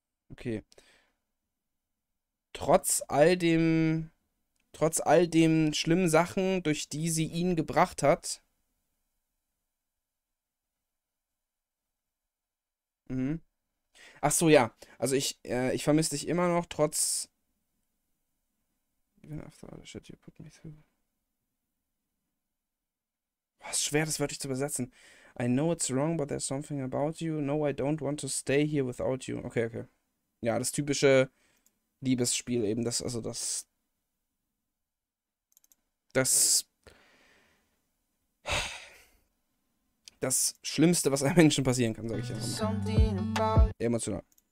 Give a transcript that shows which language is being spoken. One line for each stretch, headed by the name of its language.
German: Okay. Trotz all dem schlimmen Sachen, durch die sie ihn gebracht hat. Ach so, ja. Also ich vermisse dich immer noch, trotz.
English: Even after all the shit you put me through.
German: Was schwer, das wörtlich zu übersetzen.
English: I know it's wrong, but there's something about you. No, I don't want to stay here without you. Okay, okay.
German: Ja, das typische Liebesspiel eben. Das Schlimmste, was einem Menschen passieren kann, sage ich einfach mal. Emotional.